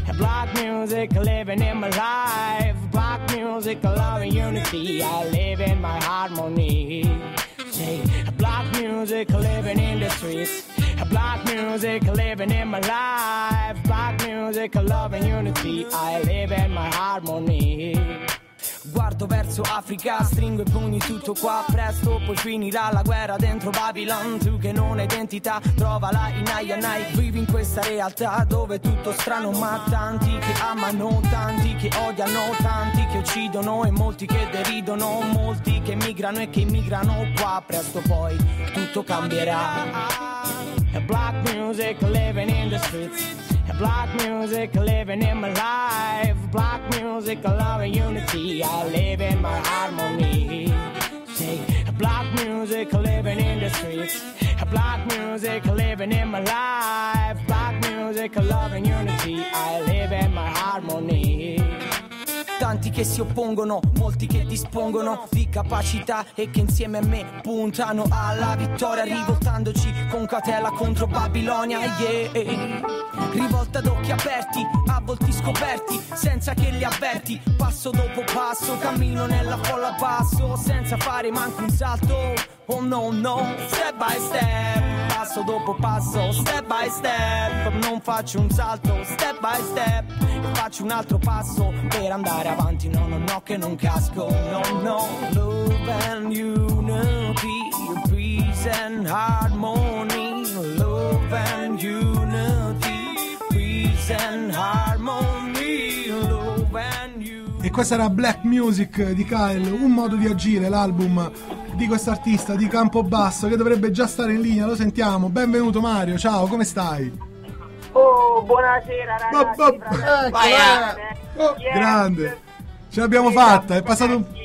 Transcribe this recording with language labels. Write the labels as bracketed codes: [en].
[en] Block music, living in my life. Block music, love and unity. I live in my harmony. Say, block music, living in the streets. Block music, living in my life. Block music, love and unity. I live in my harmony. [it] Guardo verso Africa, stringo i pugni tutto qua. Presto poi finirà la guerra dentro Babylon. Tu che non hai identità, trovala in Aya Night. Vivi in questa realtà dove è tutto strano. Ma tanti che amano, tanti che odiano, tanti che uccidono e molti che deridono. Molti che migrano e che immigrano qua. Presto poi tutto cambierà. [en] Black music living in the streets. Black music, living in my life. Black music, love and unity. I live in my harmony. Say, black music, living in the streets. Black music, living in my life. Black music, love and unity. I live in my harmony. [it] Tanti che si oppongono, molti che dispongono di capacità e che insieme a me puntano alla vittoria, rivoltandoci con cautela contro Babilonia, yeah. Rivolta ad occhi aperti, a volti scoperti, senza che li avverti, passo dopo passo, cammino nella folla basso, senza fare manco un salto, oh no no. [en] Step by step, [it] passo dopo passo, step by step, non faccio un salto, step by step, faccio un altro passo per andare avanti, no no no che non casco, no no. [en] Love and unity, peace and harmony. Love and unity, peace and harmony. Love and unity. [it] E questa era Black Music di Kyle, un modo di agire, l'album di quest'artista di Campobasso che dovrebbe già stare in linea. Lo sentiamo, benvenuto Mario, ciao, come stai? Oh, buonasera ragazzi, vai, grande. Grande, ce l'abbiamo fatta, è passato un...